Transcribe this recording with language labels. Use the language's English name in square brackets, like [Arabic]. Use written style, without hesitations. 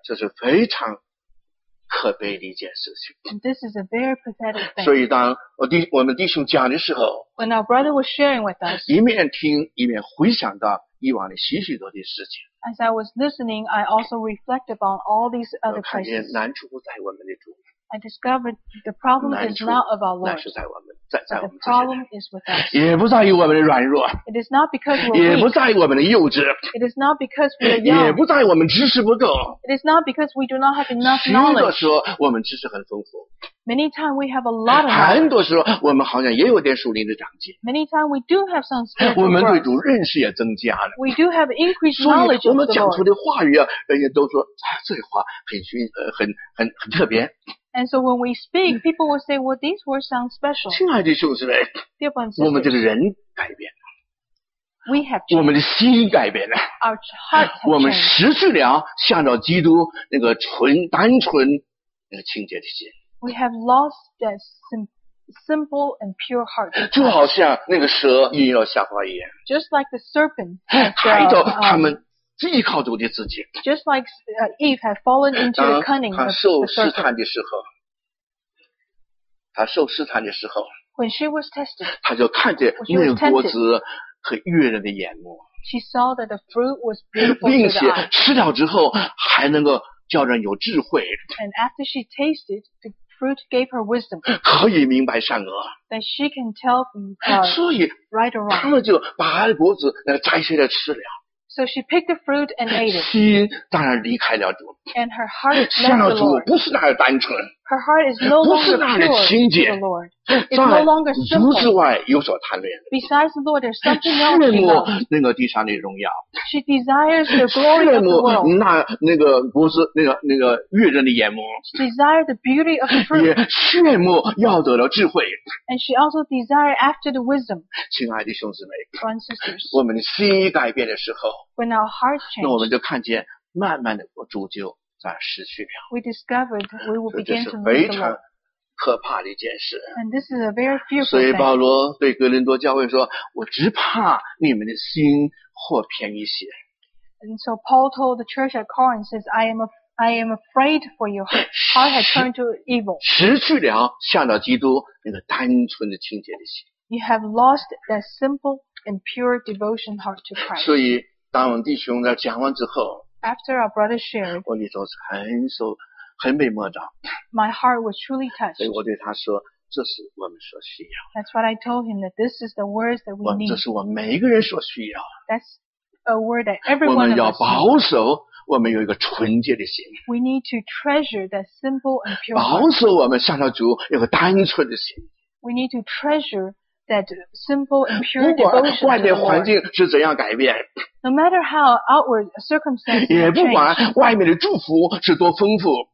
[Chinese] 这是非常可悲的一件事情。 [English] This is a very pathetic thing. [Chinese] 所以当我们弟兄讲的时候 [English] ，When our brother was sharing with us, [Chinese] 一面听一面回想到以往的许许多的事情。 [English] As I was listening, I also reflect upon all these other places. [Chinese] 我看见难处不在我们的主。 [English] I discovered the problem is not of our Lord. [Chinese] 那是在我们。在 [English] But the problem is with us. [Chinese] 也不在于我们的软弱。 [English] It is not because we're weak. [Chinese] 也不在于我们的幼稚。 [English] It is not because we're young. [Chinese] 也不在于我们知识不够。 [English] It is not because we do not have enough knowledge. [Chinese] 许多时候我们知识很丰富。 [English] Many times we have a lot of knowledge. [Chinese] 很多时候我们好像也有点属灵的长进。 [English] Many times we do have some spiritual growth. [Chinese] 我们对主认识也增加了。 [English] We do have increased knowledge of the Lord. [Chinese] 所以我们讲出的话语啊，人家都说这话很特别。 [English] And so when we speak, people will say, well, these words sound special. [Chinese] 亲爱的弟兄姊妹，我们这个人改变了。 [English] We have changed. [Chinese] 我们的心改变了。 [English] Our hearts have changed. [Chinese] 我们失去了向着基督那个纯单纯那个清洁的心。 [English] We have lost that simple and pure heart. [Chinese] 就好像那个蛇引诱夏娃一样。 [English] Just like the serpent. [Chinese] 抬头他们。依靠主的自己。 [English] Just like Eve had fallen into the cunning of the serpent. [Chinese] 她受试探的时候，她受试探的时候 [English] ，When she was tested, [Chinese] 她就看见那个果子和悦人的眼目。 [English] She saw that the fruit was beautiful to the eye. [Chinese] 并且吃了之后还能够叫人有智慧。 [English] And after she tasted, the fruit gave her wisdom. [Chinese] 可以明白善恶。 [English] That she can tell from right or wrong. [Chinese] 他们就把果子那个摘下来吃了。 [English] So she picked the fruit and ate it. [Chinese] 心当然离开了主。 [English] And her heart left the Lord. [Chinese] 向主不是那样单纯。 [English] Her heart is no longer pure. [Chinese] 不是那样清洁。 [English] It's no longer simple. [Chinese] 除之外有所贪恋。 [English] Besides the Lord, there's something else she loves. [Chinese] 羡慕那个地上的荣耀。 [English] She desires the glory of the world. [Chinese] 羡慕那个不是那个悦人的眼目。 [English] She desires the beauty of the fruit. [Chinese] 也羡慕要得了智慧。 [English] And she also desires after the wisdom. [Chinese] 亲爱的兄姊妹。 [English] Brothers and sisters. [Chinese] 我们的心意改变的时候。 [English] When our hearts change. [Chinese] 那我们就看见慢慢的主就在失去了。 [English] We discovered we will begin to lose the Lord. [Chinese] 可怕的一件事。 [English] And this is a very fearful thing. [Chinese] 所以保罗对哥林多教会说：“我只怕你们的心或偏一些。” [English] And so Paul told the church at Corinth, says, I am afraid for your heart has turned to evil. [Chinese] 失去了向着基督那个单纯的清洁的心。 [English] You have lost that simple and pure devotion heart to Christ. [Chinese] 所以当我们弟兄在讲完之后 [English] ，After our brother shared, [Chinese] 我里头是很受。很被摸着。 [English] My heart was truly touched. [Chinese] 所以我对他说，这是我们所需要。 [English] That's what I told him that this is the words that we need. [Chinese] 这是我们每一个人所需要。 [English] That's a word that everyone. [Chinese] 我们要保守，我们有一个纯洁的心。 [English] We need to treasure that simple and pure. [Chinese] 保守我们向着主有个单纯的心。 [English] We need to treasure that simple and pure devotion to the Lord. [Chinese] 不管外面环境是怎样改变。 [English] No matter how outward circumstances change, [Chinese] 也不管外面的祝福是多丰富。